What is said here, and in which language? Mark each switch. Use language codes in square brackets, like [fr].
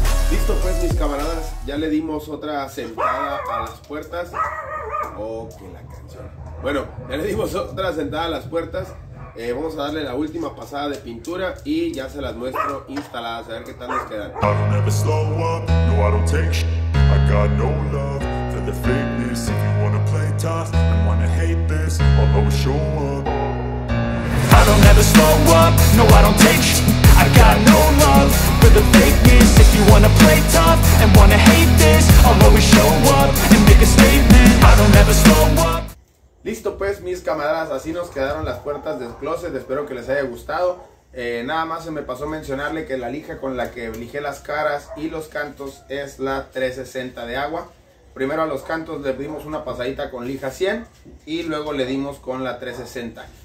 [es] Listo pues, mis camaradas, ya le dimos otra sentada a las puertas. Oh, que la canción. Bueno, ya le dimos otra sentada a las puertas. Vamos a darle la última pasada de pintura y ya se las muestro instaladas, a ver qué tal nos quedan. [en] I don't ever slow up, no, I don't take sh- I got no love. The fakeness, if you wanna play tough and wanna hate this, I'll always show up. I don't ever slow up, no I don't take shit. I got no love for the fakeness. If you wanna play tough and wanna hate this, I'll always show up and make a statement. I don't ever slow up. [es] Listo pues, mis camaradas, así nos quedaron las puertas del closet. Espero que les haya gustado. Nada más se me pasó mencionarle que la lija con la que lijé las caras y los cantos es la 360 de agua. Primero a los cantos le dimos una pasadita con lija 100 y luego le dimos con la 360.